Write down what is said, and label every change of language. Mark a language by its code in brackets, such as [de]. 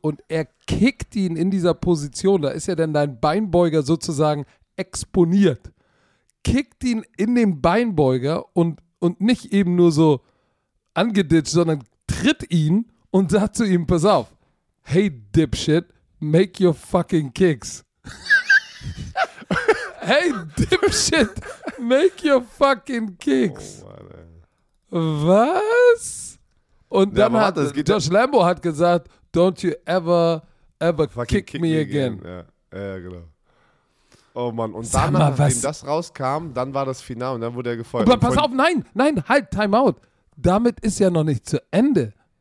[de] Und er kickt ihn in dieser Position. Da ist ja dann dein Beinbeuger sozusagen exponiert. Kickt ihn in den Beinbeuger und nicht eben nur so angeditscht, sondern tritt ihn und sagt zu ihm, pass auf, [en] hey Dipshit, make your fucking kicks. Hey Dipshit, make your fucking kicks. [de] Oh, was? Und ja, dann hat Josh Lambo hat gesagt, [en] don't you ever kick me again. [de] Ja, genau. Oh Mann, und dann, nachdem das rauskam, dann war das Finale und dann wurde er gefeuert. Aber pass auf, nein, halt, [en] time out. [de] Damit ist ja noch nicht zu Ende.